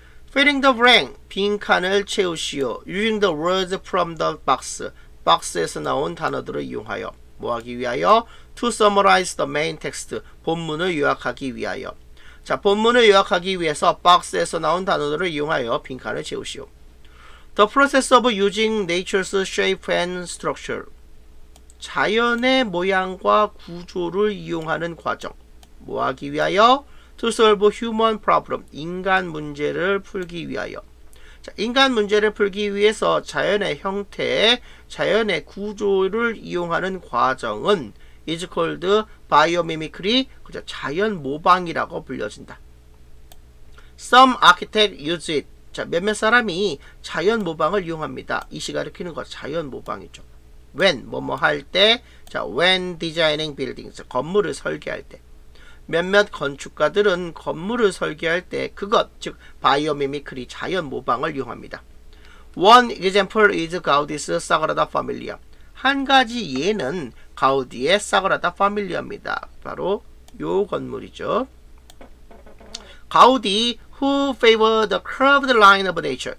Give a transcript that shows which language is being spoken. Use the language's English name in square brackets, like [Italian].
[English] Filling the blank, [Korean] 빈칸을 채우시오. [English] Using the words from the box, [Korean] 박스에서 나온 단어들을 이용하여. 뭐하기 위하여? [English] To summarize the main text, [Korean] 본문을 요약하기 위하여. 자, 본문을 요약하기 위해서 박스에서 나온 단어들을 이용하여 빈칸을 채우시오. [English] The process of using nature's shape and structure. [Korean] 자연의 모양과 구조를 이용하는 과정. 뭐 하기 위하여? [English] To solve human problem. [Korean] 인간 문제를 풀기 위하여. 자, 인간 문제를 풀기 위해서 자연의 형태, 자연의 구조를 이용하는 과정은 [English] is called biomimicry, [Korean] 그죠? 자연 모방이라고 불려진다. [English] Some architects use it. [Korean] 자, 몇몇 사람이 자연 모방을 이용합니다. 이시 가리키는 것, 자연 모방이죠. When, 뭐뭐 할 때, 자, [English] when designing buildings, [Korean] 건물을 설계할 때, 몇몇 건축가들은 건물을 설계할 때 그것, 즉 바이오미미크리 자연 모방을 이용합니다. [English] One example is Gaudi's Sagrada Familia. [Korean] 한 가지 예는 가우디의 사그라다 파밀리아입니다. 바로 요 건물이죠. [English] 가우디 who favored the curved line of nature.